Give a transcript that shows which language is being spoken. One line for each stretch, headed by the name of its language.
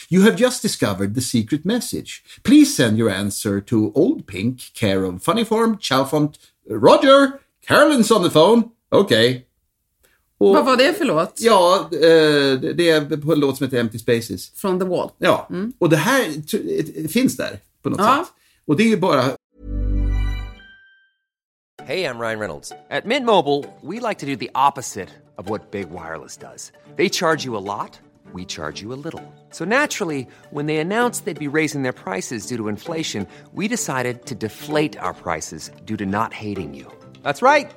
English: You have just discovered the secret message. Please send your answer to Old Pink, care of Funny Form, Chow Font, Roger, Carolyn's on the phone."
Swedish: Okej. Okay. Och, vad var det för låt? Ja, det är på en låt som heter Empty Spaces.
English: From the Wall.
Swedish: Ja, och det här finns där på något sätt. Och det är ju bara...
English: Hey, I'm Ryan Reynolds. At Mint Mobile, we like to do the opposite of what Big Wireless does. They charge you a lot, we charge you a little. So naturally, when they announced they'd be raising their prices due to inflation, we decided to deflate our prices due to not hating you. That's right.